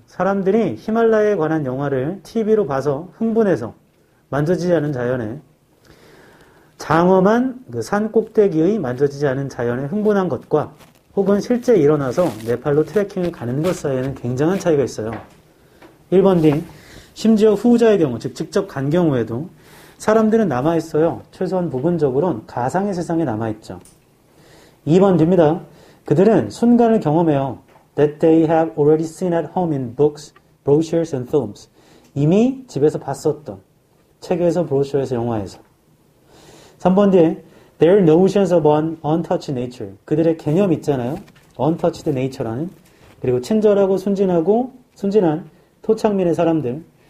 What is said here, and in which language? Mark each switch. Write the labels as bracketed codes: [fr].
[ko] 사람들이 히말라야에 관한 영화를 TV로 봐서 흥분해서 만져지지 않은 자연에 장엄한 그 산 꼭대기의 만져지지 않은 자연에 흥분한 것과 혹은 실제 일어나서 네팔로 트레킹을 가는 것 사이에는 굉장한 차이가 있어요. 1번 뒤 심지어 후자의 경우, 즉 직접 간 경우에도 사람들은 남아있어요. 최소한 부분적으로는 가상의 세상에 남아있죠. 2번 뒤입니다. 그들은 순간을 경험해요. [en] That they have already seen at home in books, brochures and films. [ko] 이미 집에서 봤었던 책에서, 브로셔에서, 영화에서. 3번 뒤에 [en] Their notions of untouched nature. [ko] 그들의 개념 있잖아요. [en] Untouched nature [ko] 라는. 그리고 친절하고 순진한 토착민의 사람들.